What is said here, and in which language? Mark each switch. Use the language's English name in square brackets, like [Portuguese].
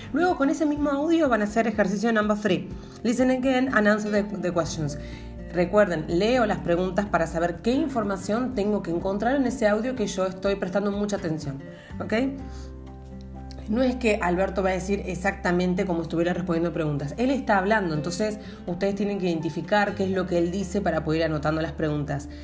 [Spanish] Luego, con ese mismo audio, van a hacer ejercicio number 3. [English] Listen again and answer the questions. [Spanish] Recuerden, leo las preguntas para saber qué información tengo que encontrar en ese audio que yo estoy prestando mucha atención, ¿ok? No es que Alberto va a decir exactamente como estuviera respondiendo preguntas. Él está hablando, entonces ustedes tienen que identificar qué es lo que él dice para poder ir anotando las preguntas.